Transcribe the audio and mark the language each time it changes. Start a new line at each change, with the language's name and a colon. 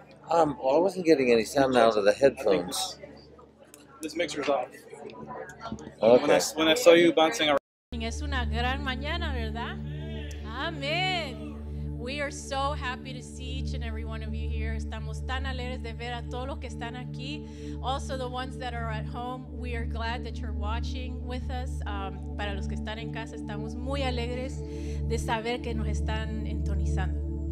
English: Well, I wasn't getting any sound out of the headphones. This mixer is off. Okay. When I saw you bouncing around.
Spanish: Es una gran mañana, ¿verdad? Amen.
English: We are so happy to see each and every one of you here.
Spanish: Estamos tan alegres de ver a todos los que están aquí.
English: Also, the ones that are at home, we are glad that you're watching with us.
Spanish: Para los que están en casa, estamos muy alegres de saber que nos están entonizando.